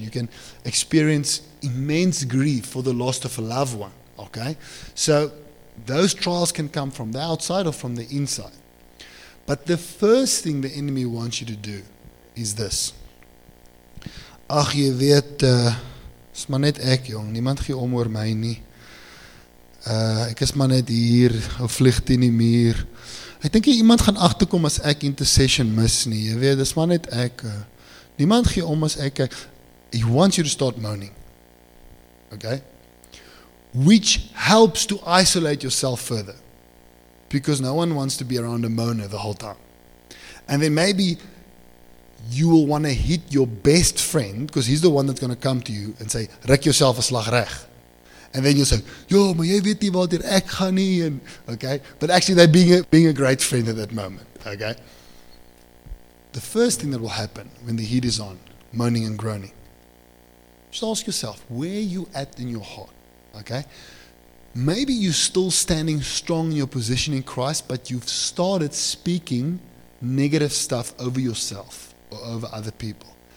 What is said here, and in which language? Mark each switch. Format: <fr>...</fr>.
<en>You can experience immense grief for the loss of a loved one. Okay? So those trials can come from the outside or from the inside. But the first thing the enemy wants you to do is this.</en> <af>Ach, jy weet, is maar net ek, jong. Niemand gee om oor my nie. Ek is maar net hier, of vlieg teen die muur. Ek dink iemand gaan agterkom as ek intercession mis nie. Jy weet, is maar net ek. Niemand gee om as ek.</af> <en>He wants you to start moaning. Okay? Which helps to isolate yourself further. Because no one wants to be around a moaner the whole time. And then maybe you will want to hit your best friend, because he's the one that's going to come to you and say, rek yourself</en> <af>a slag reg.</af> <en>And then you'll say, yo,</en> <af>maar jy weet nie wat hier ek gaan nie.</af> <en>And, okay? But actually they're being a great friend at that moment. Okay? The first thing that will happen when the heat is on, moaning and groaning, just ask yourself, where are you at in your heart? Okay? Maybe you're still standing strong in your position in Christ, but you've started speaking negative stuff over yourself or over other people.</en>